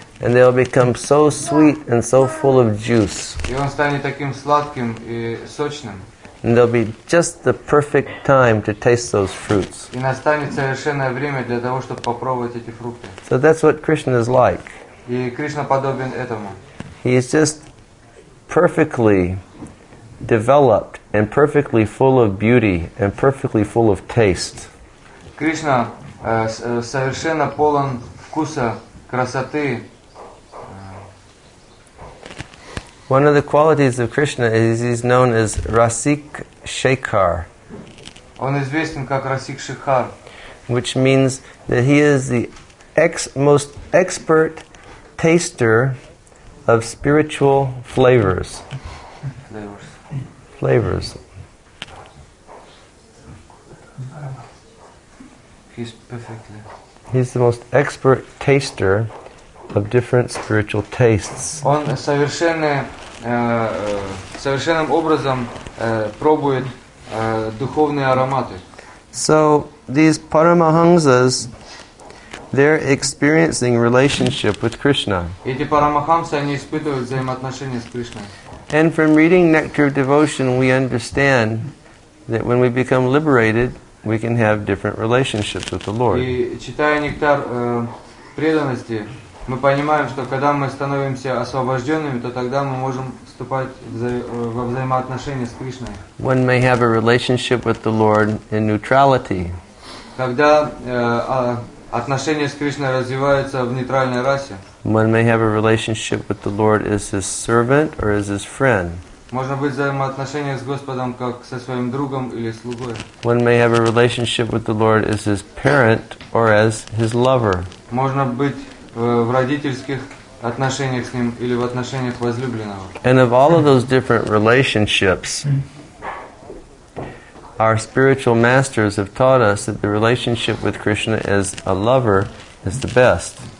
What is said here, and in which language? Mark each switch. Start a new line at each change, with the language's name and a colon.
English: And they'll become so sweet and so full of juice.
Russian: И он станет таким сладким и сочным.
English: And there'll be just the perfect time to taste those fruits.
Russian: И настанет совершенное время для того, чтобы попробовать эти фрукты.
English: So that's what Krishna is like.
Russian: И Кришна подобен этому.
English: He is just perfectly developed and perfectly full of beauty and perfectly full of taste.
Russian: Кришна совершенно полон вкуса, красоты.
English: One of the qualities of Krishna is he's known as Rasik Shekhar.
Russian: Он известен как Rasik Shekhar,
English: which means that he is the most expert taster of spiritual flavors. Flavors. He's perfectly. He's the most expert taster of different spiritual tastes.
Russian: Он совершенным образом пробует духовные ароматы.
English: So these paramahamsas, they're experiencing relationship with Krishna.
Russian: Эти парамахамсы, они испытывают взаимоотношения с Кришной.
English: And from reading Nectar of Devotion, we understand that when we become liberated, we can have different relationships with the Lord.
Russian: И читая Нектар преданности, Мы понимаем, что когда мы становимся освобожденными, то тогда мы можем вступать во взаимоотношения с Кришной.
English: One may have a relationship with the Lord in neutrality.
Russian: Когда отношения с Кришной развиваются в нейтральной расе.
English: One may have a relationship with the Lord as his servant or as his friend.
Russian: Можно быть взаимоотношения с Господом как со своим другом или слугой.
English: One may have a relationship with the Lord as his parent or as his lover.
Russian: Можно быть в родительских отношениях с ним или в отношениях возлюбленного.
English: And of all of those different relationships, our spiritual masters have taught us that the relationship with Krishna as a lover is the best.